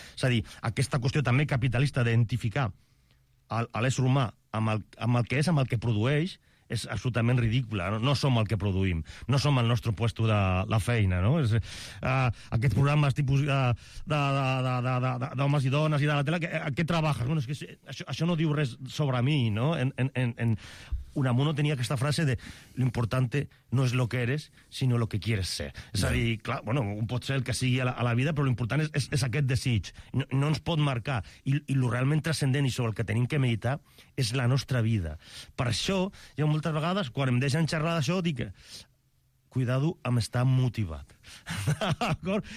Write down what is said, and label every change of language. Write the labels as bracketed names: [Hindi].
[Catalan] És a dir, aquesta qüestió també capitalista d'identificar l'ésser humà amb el que és, amb el que produeix, és absolutament ridícula. No som el que produïm, no som el nostre puesto de la feina, no? És, aquests programes tipus d'homes i dones i de la tele, què treballes? Bueno, és que això no diu res sobre mi, no? En Unamuno tenia aquesta frase de [Spanish] lo importante no es lo que eres, sino lo que quieres ser. [Catalan] És a dir, clar, bueno, un pot ser el que sigui a la vida, però lo important és aquest desig. No ens pot marcar. I lo realment transcendent i sobre el que tenim que meditar és la nostra vida. Per això, jo moltes vegades, quan em deixen xerrar d'això, dic, cuidado amb estar motivat. D'acord?